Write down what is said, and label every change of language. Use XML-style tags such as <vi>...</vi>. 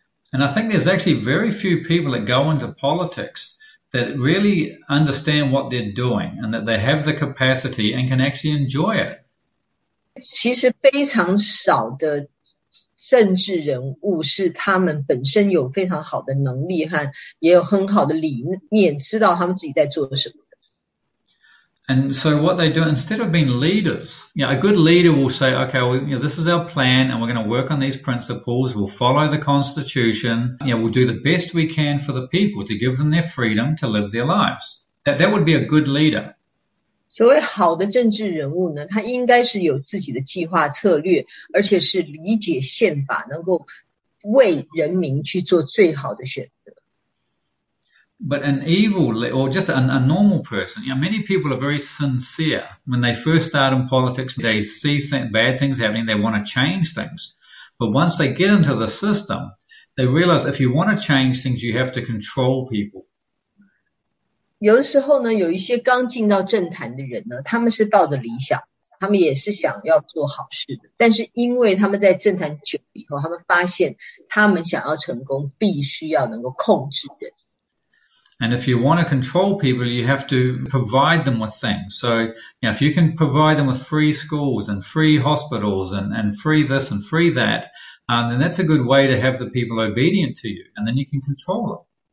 <en>And I think there's actually very few people that go into politics that really understand what they're doing and that they have the capacity and can actually enjoy it.</en> <zh>其实非常少的政治人物是他们本身有非常好的能力和也有很好的理念，知道他们自己在做什么。</zh> <en>And so what they do, instead of being leaders, a good leader will say, okay, well, this is our plan and we're going to work on these principles. We'll follow the constitution. We'll do the best we can for the people to give them their freedom to live their lives. That would be a good leader.</en> <zh>所谓好的政治人物呢，他应该是有自己的计划策略，而且是理解宪法，能够为人民去做最好的选择。</zh> <en>But an evil, or just a normal person, many people are very sincere. When they first start in politics, they see bad things happening, they want to change things. But once they get into the system, they realize if you want to change things, you have to control people.</en> <zh>有的时候呢，有一些刚进到政坛的人呢，他们是抱着理想，他们也是想要做好事的。但是因为他们在政坛久了以后，他们发现他们想要成功，必须要能够控制人。</zh> <en>And if you want to control people, you have to provide them with things. So, if you can provide them with free schools and free hospitals and free this and free that, then that's a good way to have the people obedient to you, and then you can control</en>